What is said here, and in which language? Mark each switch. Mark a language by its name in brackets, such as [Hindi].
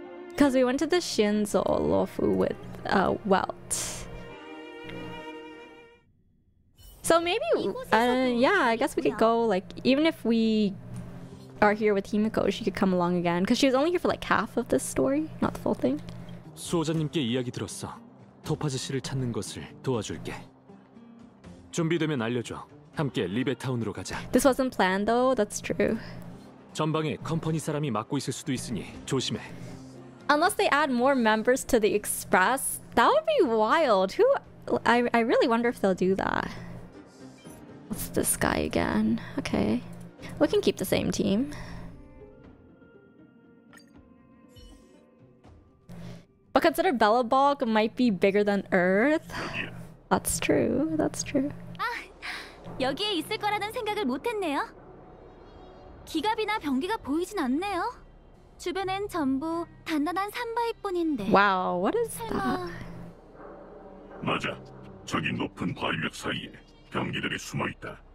[English] Because we went to the Shinzo Lofu with Welt. So maybe, yeah, I guess we could go, like, even if we are here with Himiko, she could come along again. Because she was only here for like half of this story, not the full thing. [Korean] Suoja님께 이야기 들었어. 토파즈 씨를 찾는 것을 도와줄게. 준비되면 알려줘. 함께 리베타운으로 가자. [English] This wasn't planned though, that's true. [Korean] 전방에 컴퍼니 사람이 맡고 있을 수도 있으니 조심해. [English] Unless they add more members to the Express, that would be wild. Who? I really wonder if they'll do that. What's this guy again? Okay. We can keep the same team. But consider Belobog might be bigger than Earth. That's true, that's true. [Korean] 여기에 있을 거라는 생각을 못했네요. 기갑이나 병기가 보이진 않네요. 주변엔 전부 단단한 산바위뿐인데. [English] 와우, what is that? [Korean] 맞아. 저기 높은 바위벽 사이에 병기들이 숨어 있다.